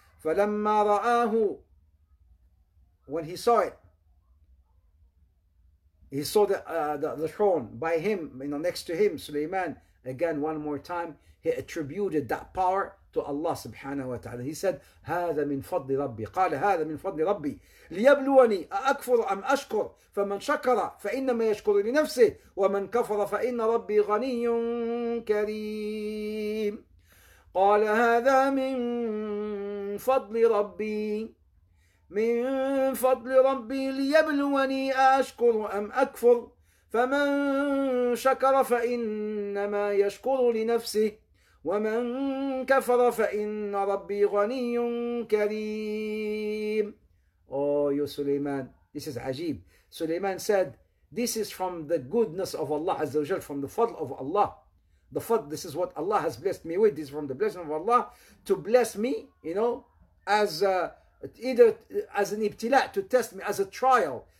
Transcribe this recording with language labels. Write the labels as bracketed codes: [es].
[ar] فَلَمَّا رَآهُ [en] When he saw it, he saw the throne by him, you know, next to him, Sulaiman. Again, one more time, he attributed that power to Allah subhanahu wa ta'ala. He said, [ar] هذا من فضل ربي. قال هذا من فضل ربي. ليبلوني أكفر أم أشكر. فمن شكر فإنما يشكر لنفسه. ومن كفر فإن ربي غني كريم. قال هذا من فضل ربي. من فضل ربي ليبلوني أشكر أم أكفر. فمن شكر فإنما يشكر لنفسه. وَمَنْ كَفَرَ فَإِنَّ رَبِّي غَنِيٌّ كَرِيمٌ [en] Oh, you Sulaiman, this is ajeeb. Sulaiman said, this is from the goodness of Allah Azza wa Jal, from the fadl of Allah. The fadl, this is what Allah has blessed me with. This is from the blessing of Allah to bless me, you know, as either as an ibtila, to test me, as a trial.